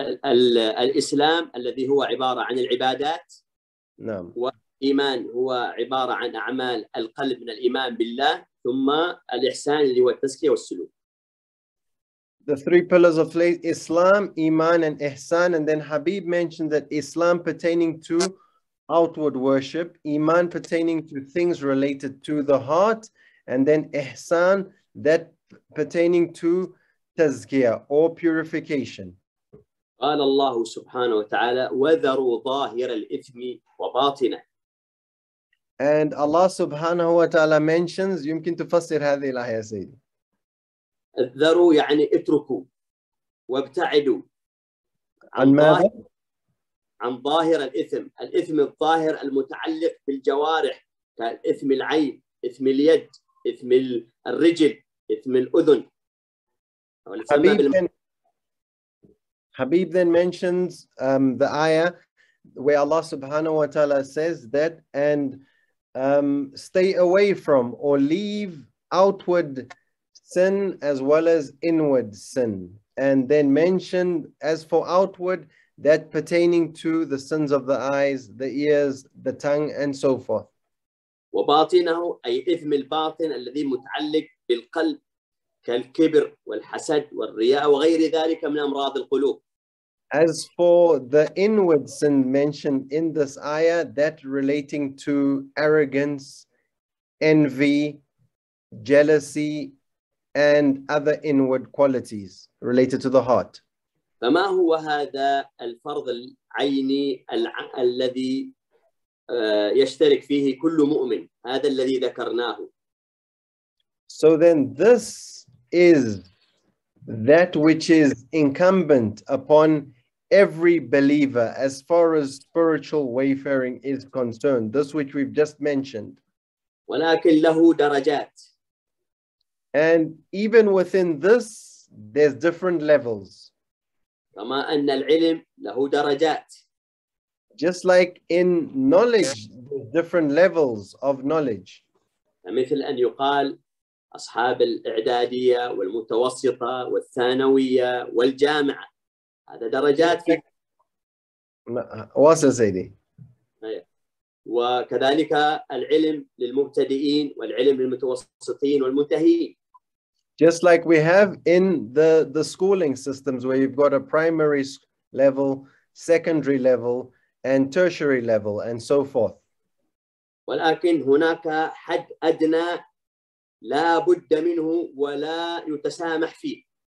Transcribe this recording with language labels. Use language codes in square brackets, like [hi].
[ar] الإسلام الذي هو عبارة عن العبادات. نعم. والإيمان هو عبارة عن أعمال القلب من الإيمان بالله ثم الإحسان اللي هو التزكية والسلوك. [en] The three pillars of Islam, Iman and Ihsan, and then Habib mentioned that Islam pertaining to outward worship, Iman pertaining to things related to the heart, and then Ihsan that pertaining to tazkiyah or purification. [ar] قال الله سبحانه وتعالى وذروا ظاهر الإثم وباطنه. [en] And Allah subhanahu wa ta'ala mentions, [ar] يمكن تفسر هذه الآية سيدي. ذروا يعني اتركوا وابتعدوا عن ماذا؟ عن ظاهر الإثم، الإثم الظاهر المتعلق بالجوارح كإثم العين، إثم اليد، إثم الرجل، إثم الأذن. [en] Habib then mentions the ayah where Allah subhanahu wa ta'ala says that and stay away from or leave outward sin as well as inward sin. And then mentioned as for outward, that pertaining to the sins of the eyes, the ears, the tongue, and so forth. [ar] وباطنه أي إثم الباطن الذي متعلق بالقلب كالكبر والحسد والرياء وغير ذلك من أمراض القلوب. [en] As for the inward sin mentioned in this ayah, that relating to arrogance, envy, jealousy, and other inward qualities related to the heart. [ar] فما هو هذا الفرض العيني الذي يشترك فيه كل مؤمن هذا الذي ذكرناه. [en] So then this is that which is incumbent upon every believer as far as spiritual wayfaring is concerned, this which we've just mentioned. [ar] ولكن له درجات. [en] And even within this, there's different levels. [ar] كما أن العلم له درجات. [en] Just like in knowledge, different levels of knowledge. [ar] مثل أن يقال أصحاب الإعدادية والمتوسطة والثانوية والجامعة. هذا درجات في واصل سيدي. وكذلك العلم للمبتدئين والعلم للمتوسطين والمنتهين. [en] Just like we have in the schooling systems where you've got a primary level, secondary level, and tertiary level, and so forth. [ar] ولكن هناك حد أدنى لا بد منه ولا يتسامح فيه.